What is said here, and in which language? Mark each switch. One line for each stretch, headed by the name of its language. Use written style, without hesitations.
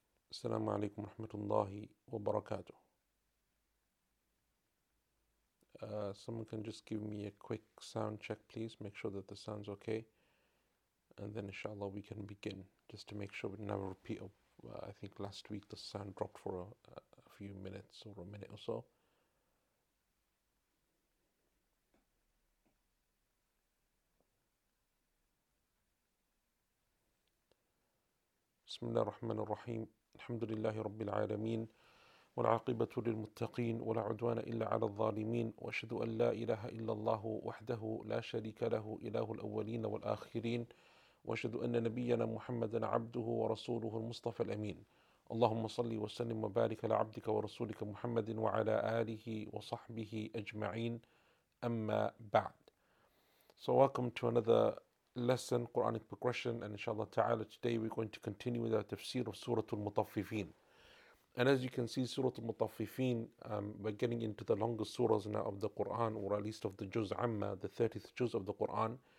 Arabic: السلام عليكم ورحمة الله وبركاته.
English: Someone can just give me a quick sound check, please. Make sure that the sound's okay. And then inshallah we can begin. Just to make sure we never repeat. I think last week the sound dropped for a few minutes or a minute or so.
Arabic: بسم الله الرحمن الرحيم. الحمد لله رب العالمين، والعاقبة للمتقين، ولا عدوان إلا على الظالمين. وأشهد أن لا إله إلا الله وحده لا شريك له، إله الأولين والآخرين. وأشهد أن نبينا محمدا عبده ورسوله المصطفى الأمين. اللهم صل وسلم وبارك على عبدك ورسولك محمد وعلى آله وصحبه أجمعين، أما بعد.
English: So welcome to another lesson, Quranic progression, and inshallah ta'ala today we're going to continue with our tafsir of Surah Al-Mutaffifin. And as you can see, Surah Al-Mutaffifin, we're getting into the longest surahs now of the Quran, or at least of the Juz Amma, the 30th Juz of the Quran.